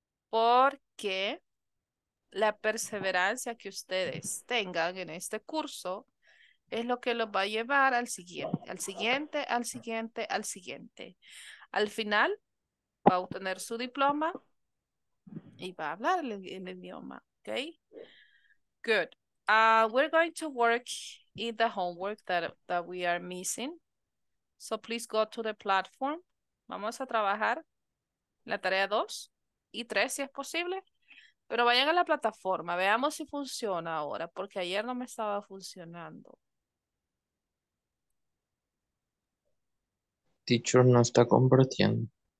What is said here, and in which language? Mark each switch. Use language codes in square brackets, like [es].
[es] porque la perseverancia que ustedes tengan en este curso es lo que los va a llevar al siguiente, al siguiente, al siguiente, al siguiente. Al final va a obtener su diploma y va a hablar el idioma, ¿okay? [en] Good. We're going to work in the homework that we are missing. So please go to the platform. [es] Vamos a trabajar la tarea 2 y 3 si es posible. Pero vayan a la plataforma, veamos si funciona ahora, porque ayer no me estaba funcionando. Teacher no está compartiendo.